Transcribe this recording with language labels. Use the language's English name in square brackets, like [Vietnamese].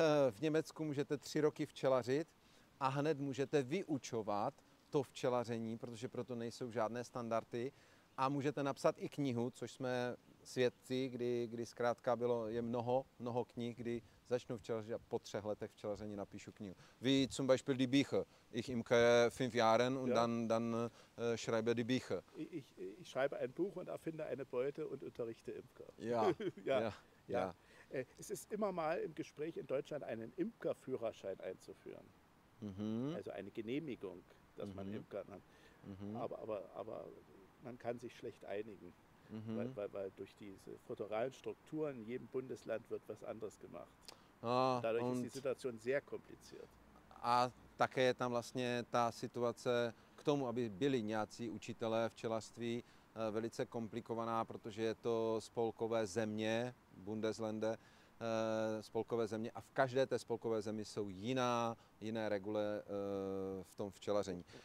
[Czech] V Německu můžete 3 roky včelařit a hned můžete vyučovat to včelaření, protože proto nejsou žádné standardy. A můžete napsat i knihu, což jsme svědci, kdy zkrátka bylo, je mnoho knih, kdy začnu včelařit a po 3 letech včelaření napíšu knihu. [German] Wie zum Beispiel die Bücher. Ich imke 5 Jahren und dann schreibe die Bücher. Ich schreibe ein Buch und erfinde eine Beute und unterrichte Imker. Ja. Es ist immer mal im Gespräch in Deutschland einen Imkerführerschein einzuführen. Mhm. Also eine Genehmigung, dass man Imker nennt. Mhm. Aber man kann sich schlecht einigen. Mhm. Weil durch diese föderalen Strukturen in jedem Bundesland wird was anderes gemacht. Dadurch ist die Situation sehr kompliziert. [Czech] A také je tam vlastně ta situace k tomu, aby byli nějací učitelé včelařství, velice komplikovaná, protože je to spolkové země, Bundeslände, spolkové země a v každé té spolkové zemi jsou jiné regule v tom včelaření.